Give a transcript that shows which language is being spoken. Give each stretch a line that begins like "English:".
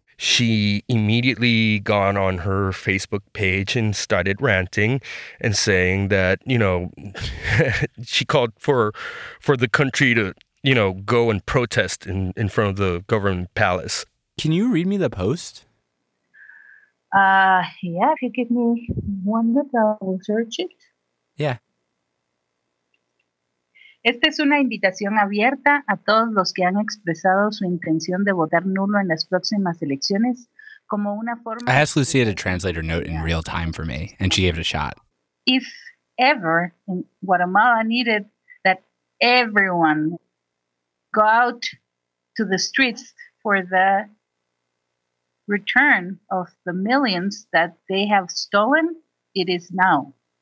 English: She immediately got on her Facebook page and started ranting and saying that, you know, she called for the country to, you know, go and protest in front of the government palace. Can you read me the post? Yeah, if you give me 1 minute, I will search it. Yeah.
Spanish: Esta es una invitación abierta a todos los que han expresado su intención de votar nulo en las próximas elecciones como una forma.
English: I asked Lucia to translate her note in real time for me, and she gave it a shot. If ever in Guatemala needed that everyone go out to the streets for the return of the millions that they have stolen, it is now.